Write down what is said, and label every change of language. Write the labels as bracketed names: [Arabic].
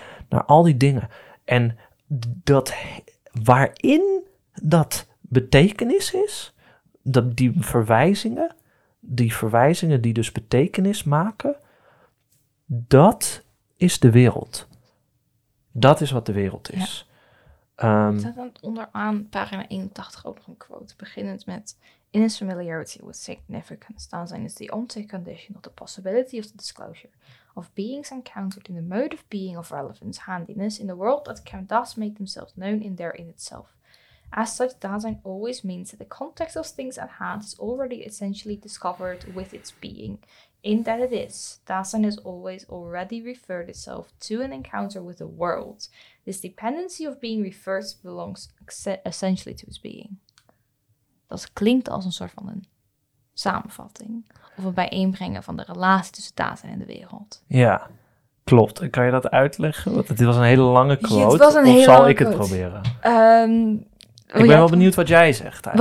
[Dutch] Naar al die dingen. En dat waarin dat betekenis is, dat die verwijzingen die dus betekenis maken. Dat is de wereld. Dat is wat de wereld is. Ja. Staat onderaan pagina 81 ook nog een quote. [English] Beginnend met, in its familiarity with significance, daanzijn is the ontic condition of the possibility of the disclosure of beings encountered in the mode of being of relevance, handiness in the world that can thus make themselves known in their in itself. As such, Dasein always means that the context of things at hand is already essentially discovered with its being. In that it is, Dasein has always already referred itself to an encounter with the world. This dependency of being referred belongs essentially to its being. [Dutch] Dat klinkt als een soort van een samenvatting. Of een bijeenbrengen van de relatie tussen Dasein en de wereld. Ja, klopt. Kan je dat uitleggen? Want dit was een hele lange quote. Zal ik het proberen? Ik ben wel benieuwd wat jij zegt.